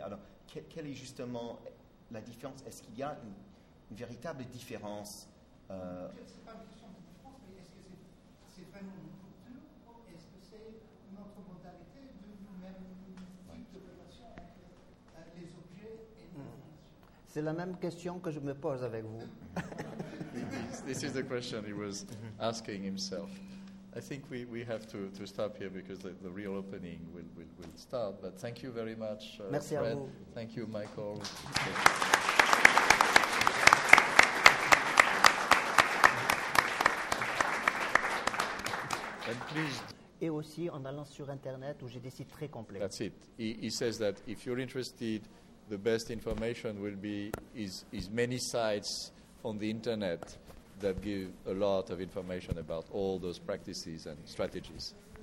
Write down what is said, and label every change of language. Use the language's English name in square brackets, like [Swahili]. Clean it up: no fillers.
[French] Alors, quelle est justement la différence, est-ce qu'il y a une véritable différence Ce n'est pas une question de différence, mais est-ce que c'est vraiment une culture ou est-ce que c'est notre mentalité de nous-mêmes, de relation avec les objets et les C'est la même question que je me pose avec vous. [English] This is the question he was asking himself. I think we have to stop here because the real opening will start. But thank you very much, [French] Merci Fred. À vous. [English] Thank you, Michael. And please. [French] Et aussi en allant sur Internet où j'ai des sites très complets. [English] That's it. He says that if you're interested, the best information will be is many sites on the Internet that give a lot of information about all those practices and strategies.